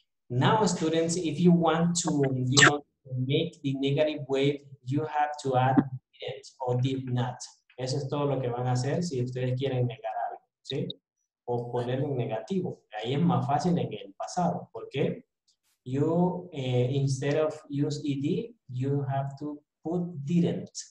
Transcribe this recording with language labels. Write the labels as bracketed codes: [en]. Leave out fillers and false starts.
[en] Now, students, if you want to make the negative wave, you have to add didn't or did not. [es] Eso es todo lo que van a hacer si ustedes quieren negar algo, ¿sí? O poner un negativo. Ahí es más fácil en el pasado. ¿Por qué? [en] You, instead of use ed, you have to put didn't.